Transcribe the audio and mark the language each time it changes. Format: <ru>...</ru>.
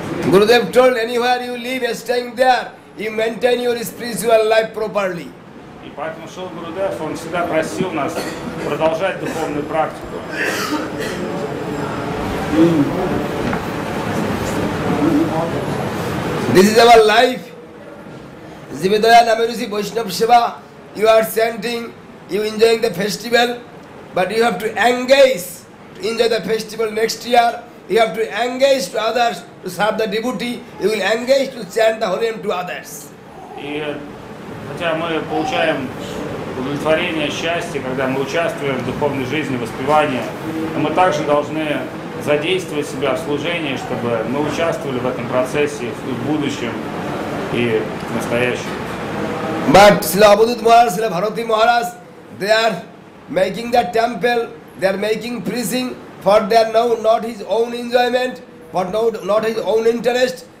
<en>Gurudev told, anywhere you live, staying there, you maintain your spiritual life properly.</en> <ru>И поэтому Шрила Гурудев, он всегда просил нас продолжать духовную практику.</ru> <en>This is our life. Zivedaya Namiruzi Vaishnava Shiva. You are chanting, you enjoying the festival, but you have to engage to enjoy the festival next year. You have to engage to others to serve the devotee. You will engage to chant the Holy Name to others.</en> <ru>И хотя мы получаем удовлетворение, счастье, когда мы участвуем в духовной жизни, воспевании, но мы также должны задействовать себя в служении, чтобы мы участвовали в этом процессе в будущем и в настоящем.</ru> <en>But Srila Abhudut Maharaj, Srila Bharati Maharaj, they are making the temple, they are making preaching for their now not his own enjoyment, but not his own interest.</en>